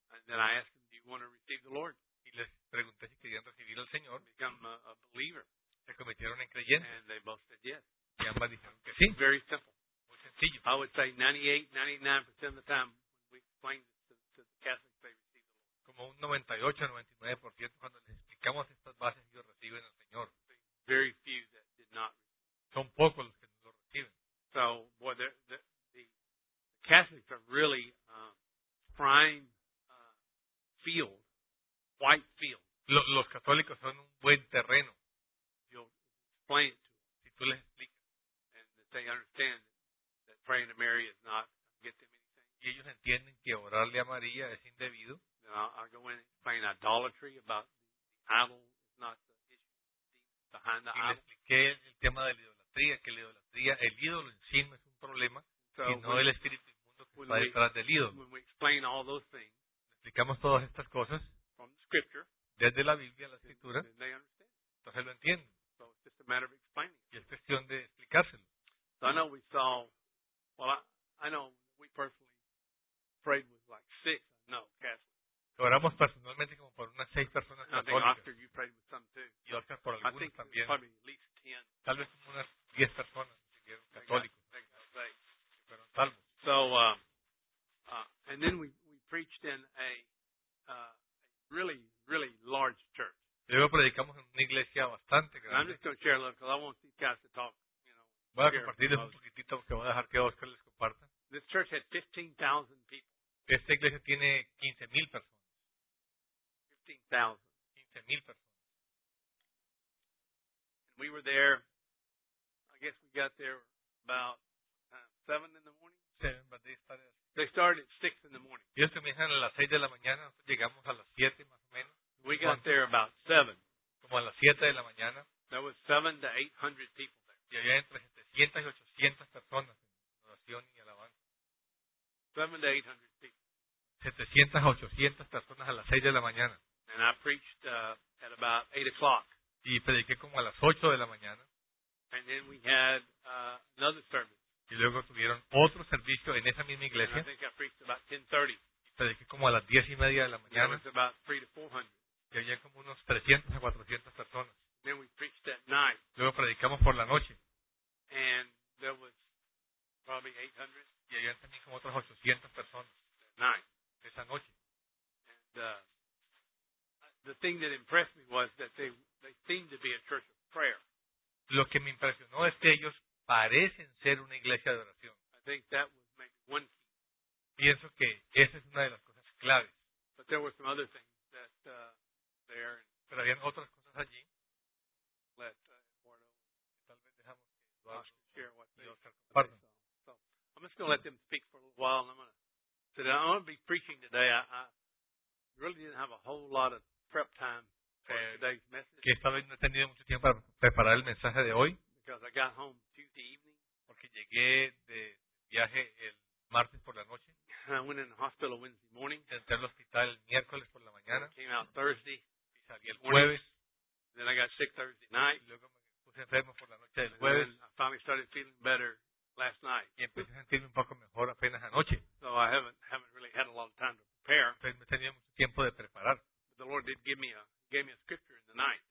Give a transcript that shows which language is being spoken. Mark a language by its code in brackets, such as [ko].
[en] and then I asked them, "Do you want to receive the Lord?" [es] Y les pregunté si querían recibir al Señor. [en] Become a believer. [es] Se convirtieron en creyentes. [en] And they both said yes. [es] Y ambas dijeron que sí. [en] Very simple. [es] Muy sencillo. [en] I would say 98-99% of the time when we explained it to the Catholics, they received the Lord. [es] Como un 98-99% cuando les explicamos estas bases, ellos reciben al Señor. [en] Very few that did not. [es] Son pocos los que no lo reciben. [en] So, boy, the Catholics are really prime field, white field. [es] Los católicos son un buen terreno. [en] Explain to [es] si tú les explicas. [en] And that they understand that praying to Mary is not get them anything. [es] Y ellos entienden que orarle a María es indebido. [en] Then I go in and explain idolatry about the idol, not the issue behind the idol. [es] Y expliqué el tema de la idolatría, que la idolatría, el ídolo en sí no es un problema, [en] so [es] sino el espíritu inmundo que está detrás del ídolo. [en] When we explain all those things, [es] explicamos todas estas cosas [en] from the scripture, [es] desde la Biblia a la Escritura, [en] then they understand. [es] Entonces lo entienden. [en] It's just a matter of explaining. [es] Y es cuestión de explicárselo. [en] So I know we saw, well, I know we personally prayed with like six, no, Catholics. [es] Oramos personalmente como por unas seis personas católicas. [en] I think Oscar, you prayed with some too. [es] Y Oscar por algunos [en] I think [es] también. [en] Probably at least 10. [es] Tal vez como unas 10 personas siguieron católicos. Pero salvos. [en] So, and then we preached in a really, really large church. [es] Luego predicamos en una iglesia bastante grande. Voy a compartirles un poquitito porque voy a dejar que Oscar les comparta. [en] This church had 15,000 people. [es] Esta iglesia tiene 15,000 personas. 15,000 personas. [en] And we were there, I guess we got there about 7 in the morning. They started at 6 in the morning. [es] Y ellos comienzan a las 6 de la mañana, nosotros llegamos a las 7 más o menos. [en] We got there about 7. [es] Como a las 7 de la mañana. [en] There was 700 to 800 people there. [es] Y había entre 700 y 800 personas en oración y alabanza. [en] 700 to 800 people. [es] 700 a 800 personas a las 6 de la mañana. [en] And I preached at about 8 o'clock. [es] Y prediqué como a las 8 de la mañana. [en] And then we had another service. [es] Y luego tuvieron otro servicio en esa misma iglesia. [en] And I think I preached about 10:30. [es] Y prediqué como a las 10:30 de la mañana. [en] There was about 300 to 400. [es] Y había como unos 300 a 400 personas. [en] Then we preached at night. [es] Luego predicamos por la noche. [en] And there was probably 800. [es] Y había también como otras 800 personas. [en] At night. [es] Esa noche. [en] And the thing that impressed me was that they seemed to be a church of prayer. [es] Lo que me impresionó es que ellos parecen ser una iglesia de oración. [en] I think that was maybe one key. [es] Pienso que esa es una de las cosas claves. [en] But there were some other things that [es] pero habían otras cosas allí. [en] Let Eduardo, [es] tal vez dejamos que Eduardo [en] so I'm just going to let them speak for a little while, and I'm going to sit down. I'm going to be preaching today. I really didn't have a whole lot of prep time for today's message. [es] Que esta vez no he tenido mucho tiempo para preparar el mensaje de hoy. [en] Because I got home Tuesday evening. [es] Porque llegué de viaje el martes por la noche. [en] I went in the hospital Wednesday morning. [es] Entré al hospital el miércoles por la mañana. [en] I came out Thursday. [es] El jueves. [en] Then I got sick Thursday night. [es] Luego me puse enfermo por la noche del jueves. [en] And then I finally started feeling better last night. [es] Y empecé a sentirme un poco mejor apenas anoche. [en] So I haven't really had a lot of time to prepare. [es] Pero me tenía mucho tiempo de preparar. [en] But the Lord did gave me a scripture in the night.